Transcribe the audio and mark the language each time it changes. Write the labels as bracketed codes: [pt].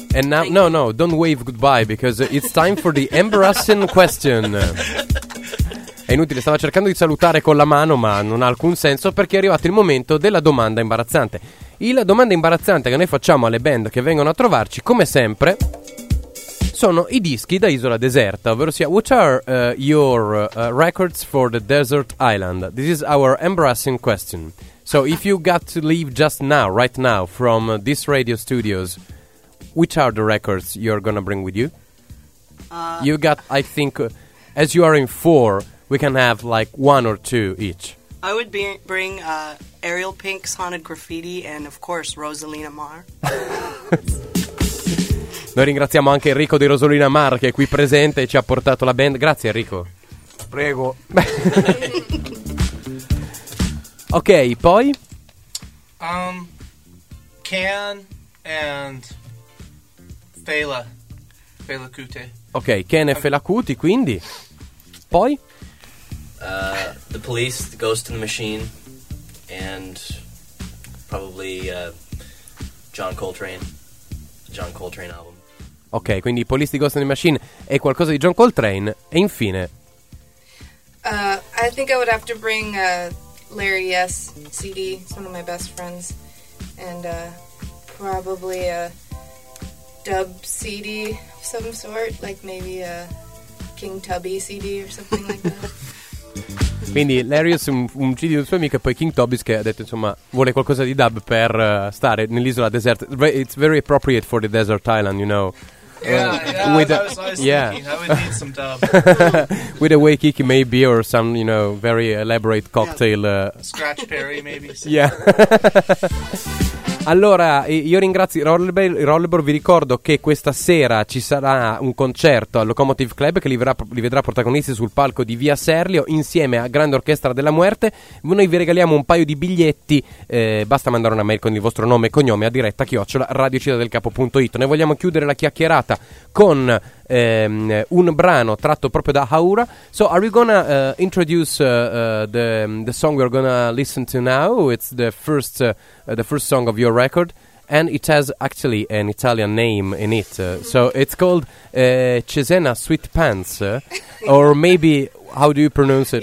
[en] And now, no, don't wave goodbye, because it's time for the embarrassing question. [it] È inutile, stava cercando di salutare con la mano, ma non ha alcun senso, perché è arrivato il momento della domanda imbarazzante. La domanda imbarazzante che noi facciamo alle band che vengono a trovarci, come sempre, sono i dischi da isola deserta, ovvero sia, [en] what are your records for the desert island? This is our embarrassing question. So if you got to leave just now, right now, from this radio studios, which are the records you're gonna bring with you? You got, I think, as you are in four, we can have like one or two each. I would bring Ariel Pink's Haunted Graffiti and, of course, Rosalina Mar. [it] Noi ringraziamo anche Enrico di Rosalina Mar, che è qui presente e ci ha portato la band. Grazie, Enrico. Prego. Ok, poi? [en] Ken and Fela. Fela Kuti. [it] Ok, Ken e Fela Kuti, quindi? Poi? [en] The Police, the Ghost in the Machine, and probably John Coltrane, the John Coltrane album. [it] Ok, quindi Police, the Ghost in the Machine e qualcosa di John Coltrane, e infine? [en] I think I would have to bring Larry Yes CD, it's one of my best friends, and probably a dub CD of some sort, like maybe a King Tubby CD or something like that. [it] Quindi Larius, un CD di un suo amico, e poi King Tobis, che ha detto, insomma, vuole qualcosa di dub per stare nell'isola deserta. [en] It's very appropriate for the desert island, you know. Yeah, with that, I was thinking, I would need some dub. With a Waikiki maybe, or some, you know, very elaborate cocktail. Yeah. Scratch Perry maybe. Yeah. [it] Allora, io ringrazio Rollerball, vi ricordo che questa sera ci sarà un concerto al Locomotive Club che li vedrà protagonisti sul palco di Via Serlio insieme a Grande Orchestra della Muerte. Noi vi regaliamo un paio di biglietti, basta mandare una mail con il vostro nome e cognome a diretta@radiocittadelcapo.it. Noi vogliamo chiudere la chiacchierata con un brano tratto proprio da Haura. [en] So are we gonna introduce the song we're gonna listen to now? It's the first song of your record, and it has actually an Italian name in it, so it's called Cesena Sweet Pants, or maybe, how do you pronounce it?